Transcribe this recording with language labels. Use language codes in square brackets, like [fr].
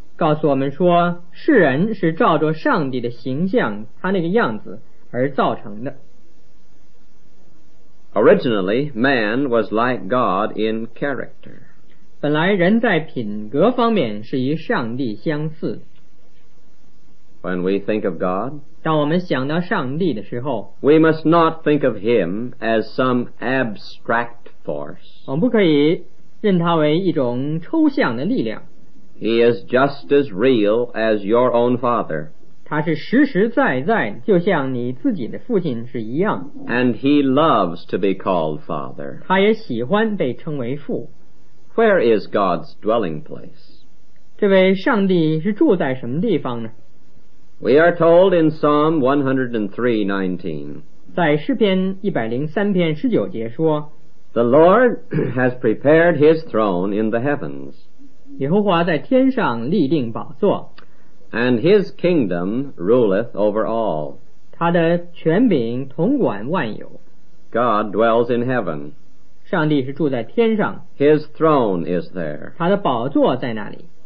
[zh] 告诉我们说，世人是照着上帝的形象，他那个样子而造成的。 [en] Originally, man was like God in character. [zh] 本来人在品格方面是与上帝相似。 [en] When we think of God, [zh] 当我们想到上帝的时候， [en] we must not think of him as some abstract force. [zh] 我们不可以认他为一种抽象的力量。 [en] He is just as real as your own father. [zh] 他是实实在在，就像你自己的父亲是一样。 [en] And he loves to be called father. [zh] 他也喜欢被称为父。 [en] Where is God's dwelling place? [zh] 这位上帝是住在什么地方呢？ [en] We are told in Psalm 103:19. [zh] 在诗篇103篇19节说， [en] The Lord has prepared his throne in the heavens. [zh] 耶和华在天上立定宝座。 [en] And his kingdom ruleth over all. [zh] 他的权柄统管万有。 [en] God dwells in heaven. [zh] 上帝是住在天上。 [en] His throne is there. [zh] 他的宝座在那里。